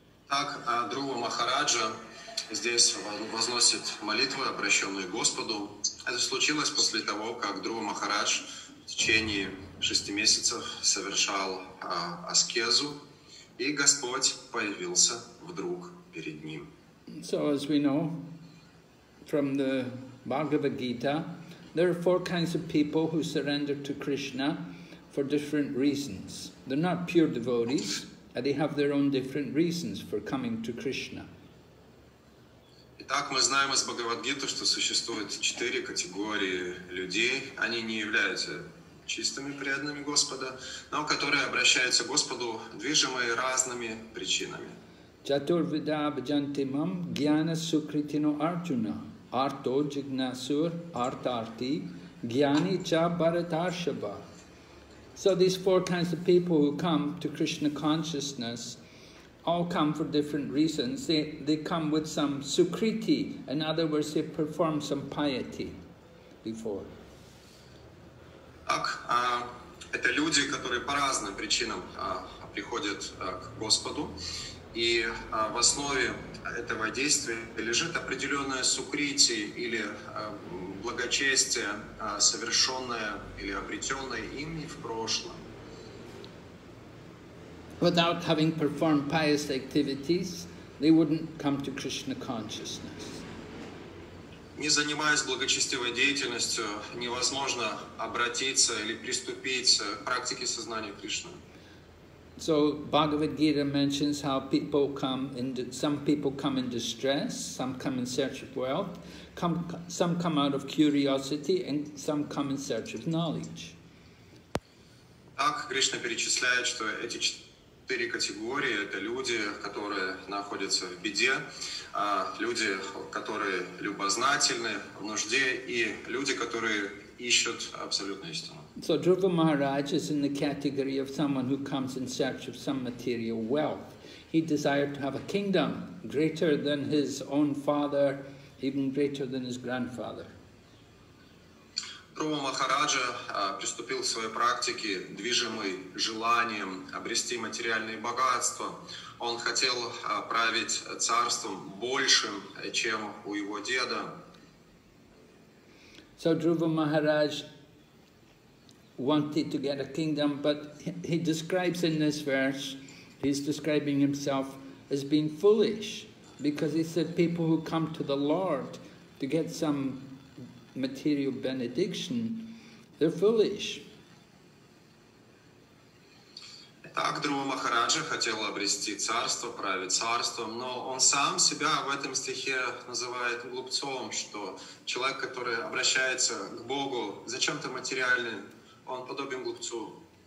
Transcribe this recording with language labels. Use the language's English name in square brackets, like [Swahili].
[Russian] Так, Друва Махараджа здесь возносит молитвы, обращенные Господу. Это случилось после того, как Друва Махарадж в течение 6 месяцев совершал аскезу, и Господь появился вдруг перед ним. [English] So, as we know from the Bhagavad Gita, there are 4 kinds of people who surrender to Krishna for different reasons. They're not pure devotees. And they have their own different reasons for coming to Krishna. [Russian] Итак, мы знаем из Бхагавад-гиты, что существует 4 категории людей. Они не являются чистыми преданными Господа, но которые обращаются к Господу, движимые разными причинами. [Sanskrit] Чатурвида бхаджанте мам гьяна сукритино арджуна арто джигнасур артарти гьяни ча бхаратаршаба. [English] So these 4 kinds of people who come to Krishna consciousness all come for different reasons. They come with some sukriti, in other words, they perform some piety before. [Russian] Так, это люди, которые по разным причинам приходят к Господу, и в основе этого действия лежит определенная сукрити или благочестие, совершенное или обретенное ими в прошлом. [English] Without having performed pious activities, they wouldn't come to Krishna consciousness. [Russian] Не занимаясь благочестивой деятельностью, невозможно обратиться или приступить к практике сознания Кришны. [English] So Bhagavad Gita mentions how people come in. Some people come in distress. Some come in search of wealth. Some come out of curiosity, and some come in search of knowledge. [Russian] Так Кришна перечисляет, что эти 4 категории — это люди, которые находятся в беде, люди, которые любознательны в нужде, и люди, которые ищут абсолютную истину. [English] So Dhruva Maharaj is in the category of someone who comes in search of some material wealth. He desired to have a kingdom greater than his own father, even greater than his grandfather. [Russian] Друва Махараджа приступил к своей практике, движимый желанием обрести материальные богатства. Он хотел править царством большим, чем у его деда. [English] So Dhruva Maharaj wanted to get a kingdom, but he describes in this verse, he's describing himself as being foolish, because he said people who come to the Lord to get some material benediction, they're foolish. [Russian] Так Друва Махараджа хотел обрести царство, править царством, но он сам себя в этом стихе называет глупцом, что человек, который обращается к Богу за чем-то материальным, он подобен глупцу.